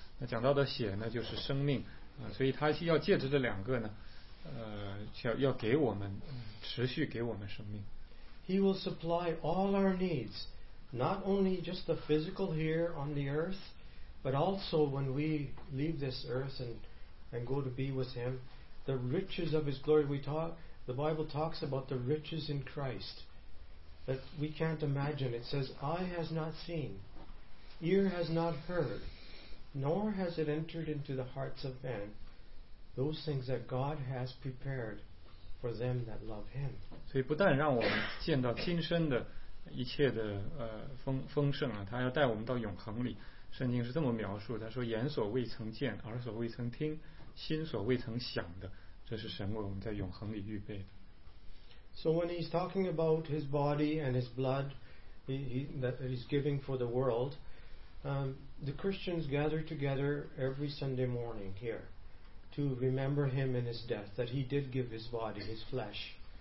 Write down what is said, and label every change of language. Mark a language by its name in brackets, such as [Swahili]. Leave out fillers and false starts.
[Chinese] 那讲到的血呢，就是生命啊。所以他要借着这两个呢，要给我们持续给我们生命。 [English] He will supply all our needs, not only just the physical here on the earth, but also when we leave this earth and go to be with him, the riches of his glory. The Bible talks about the riches in Christ that we can't imagine. It says, Eye has not seen, ear has not heard, nor has it entered into the hearts of men, those things that God has prepared for them that love Him. [Chinese] 所以不但让我们见到今生的一切的丰盛啊，他要带我们到永恒里。圣经是这么描述，他说：“眼所未曾见，耳所未曾听，心所未曾想的。” 这是神为我们在永恒里预备的。 [English] So when he's talking about his body and his blood that he's giving for the world, the Christians gather together every Sunday morning here to remember him in his death, that he did give his body, his flesh,